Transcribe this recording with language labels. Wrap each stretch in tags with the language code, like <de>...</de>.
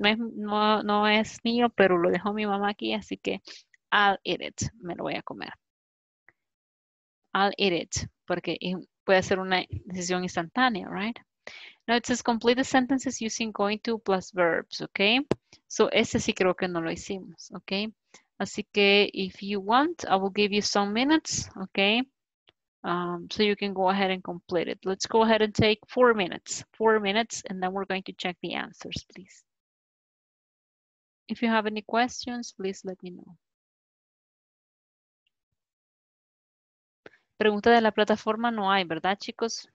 <es>No es mío, pero lo dejó mi mamá aquí, así que</es> <en>I'll eat it.</en> <es>Me lo voy a comer.</es> <en>I'll eat it,</en> <es>porque puede ser una decisión instantánea, right?</es> <en>Now it says complete the sentences using going to plus verbs, okay?</en> <es>So ese sí creo que no lo hicimos, okay? Así que</es> <en>if you want, I will give you some minutes, okay? So you can go ahead and complete it. Let's go ahead and take 4 minutes. 4 minutes, and then we're going to check the answers, please. If you have any questions, please let me know.</en> <es>Pregunta de la plataforma no hay, ¿verdad, chicos?</es>